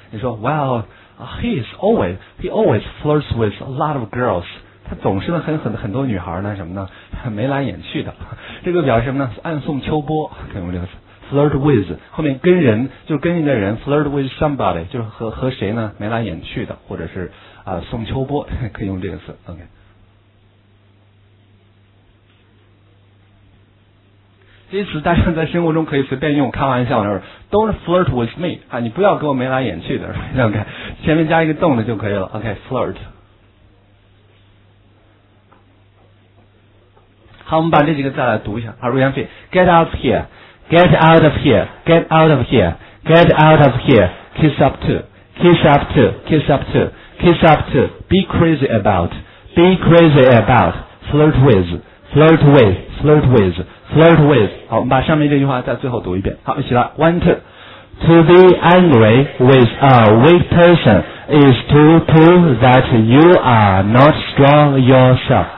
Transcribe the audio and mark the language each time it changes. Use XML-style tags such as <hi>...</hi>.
<zh>你说</zh> <en>，Well, he always flirts with a lot of girls.</en> <zh>他总是呢很多女孩呢什么呢？眉来眼去的。这个表示什么呢？暗送秋波。看我这个词 ，flirt with 后面跟人就是跟一个人 ，</zh> <en>flirt with somebody</en> <zh>就是和谁呢？眉来眼去的，或者是送秋波，可以用这个词。 OK。这些词大家在生活中可以随便用，开玩笑的时候 ，</zh> <en>Don't flirt with me</en> <zh>啊，你不要跟我眉来眼去的 ，OK， 前面加一个动的就可以了 ，OK，flirt、okay,。好，我们把这几个再来读一下，好，瑞阳飞 ，</zh> <en>Get out of here，Get out of here，Get out of here，Get out of here，Kiss up to，Kiss up to，Kiss up to，Kiss up to，Be crazy about，</en> <zh>Be crazy about。</zh> <en>flirt with, flirt with, flirt with, flirt with.</en> <zh>好，我们把上面这句话在最后读一遍。好，一起来 ，</zh> <en>one two。 To be angry with a weak person is to prove that you are not strong yourself.</en>